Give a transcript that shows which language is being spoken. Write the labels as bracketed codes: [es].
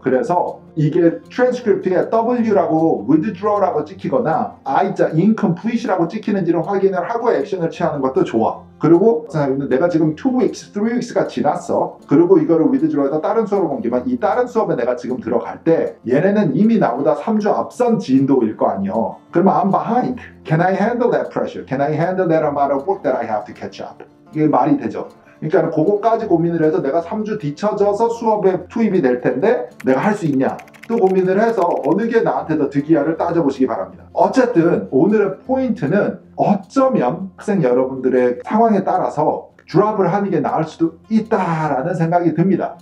[ko] 그래서 이게 트랜스크립트에 W라고 withdraw라고 찍히거나 I자 incomplete라고 찍히는지를 확인을 하고 액션을 취하는 것도 좋아. 그리고 내가 지금 2 weeks, 3 weeks가 지났어. 그리고 이거를 withdraw에다 다른 수업을 옮기면 이 다른 수업에 내가 지금 들어갈 때 얘네는 이미 나보다 3주 앞선 진도일 거 아니요. 그러면 [en] I'm behind. Can I handle that pressure? Can I handle that amount of work that I have to catch up? [ko] 이게 말이 되죠. 그러니까 그거까지 고민을 해서 내가 3주 뒤쳐져서 수업에 투입이 될 텐데 내가 할 수 있냐 또 고민을 해서 어느 게 나한테 더 득이야를 따져보시기 바랍니다. 어쨌든 오늘의 포인트는 어쩌면 학생 여러분들의 상황에 따라서 드랍을 하는 게 나을 수도 있다라는 생각이 듭니다.